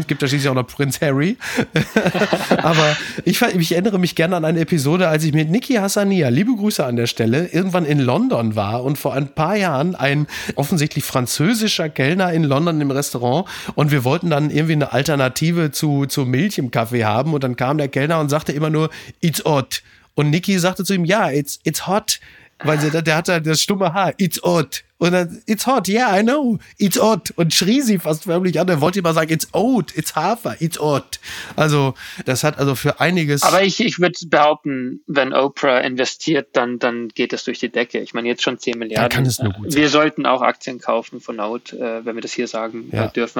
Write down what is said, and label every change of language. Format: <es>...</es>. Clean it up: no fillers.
<de>Es gibt ja schließlich auch noch Prinz Harry. Aber ich erinnere mich gerne an eine Episode, als ich mit Niki Hassania, liebe Grüße an der Stelle, irgendwann in London war und vor ein paar Jahren ein offensichtlich französischer Kellner in London im Restaurant, und wir wollten dann irgendwie eine Alternative zu Milch im Kaffee haben, und dann kam der Kellner und sagte immer nur,</de> <en>it's odd.</en> <de>Und Niki sagte zu ihm, ja,</de> <en>it's hot,</en> <de>weil der hatte das stumme H,</de> <en>it's odd.</en> <de>Und dann,</de> <en>it's hot, yeah, I know, it's odd.</en> <de>Und schrie sie fast förmlich an, er wollte immer sagen,</de> <en>it's oat,</en> <de>it's Hafer,</de> <en>it's odd.</en> <de>Also das hat also für einiges... Aber ich würde behaupten, wenn Oprah investiert, dann geht das durch die Decke. Ich meine, jetzt schon 10 Milliarden. Dann kann es nur gut sein. Wir sollten auch Aktien kaufen von Oat, wenn wir das hier sagen dürfen.</de>